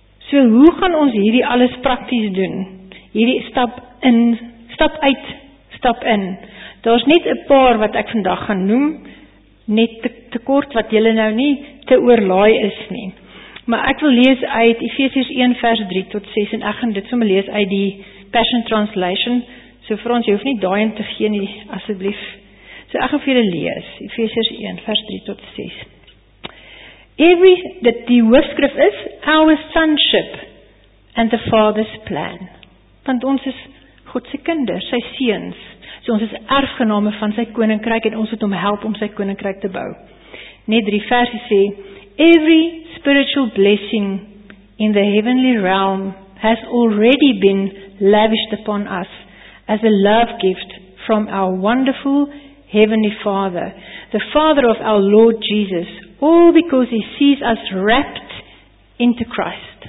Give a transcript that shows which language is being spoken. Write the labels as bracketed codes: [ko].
[af] So hoe gaan ons hierdie alles prakties doen? Hierdie stap in, stap uit, stap in. Daar is net 'n paar wat ek vandag gaan noem, net te kort wat julle nou nie te oorlaai is nie. Maar ek wil lees uit Efesiërs 1 vers 3 tot 6 en ek gaan dit sommer lees uit die Passion Translation. So vir ons, jy hoef nie daai in te gee nie, asseblief. So ek gaan vir julle lees, Efesiërs 1 vers 3 tot 6. Dat die hoofskrif is, [en] our sonship and the Father's plan. [af] Want ons is God se kinders, sy seuns. So ons is erfgename van sy koninkryk en ons moet hom help om sy koninkryk te bou. Net 3 versies sê, [en] every spiritual blessing in the heavenly realm has already been lavished upon us as a love gift from our wonderful heavenly Father, the Father of our Lord Jesus, all because he sees us wrapped into Christ.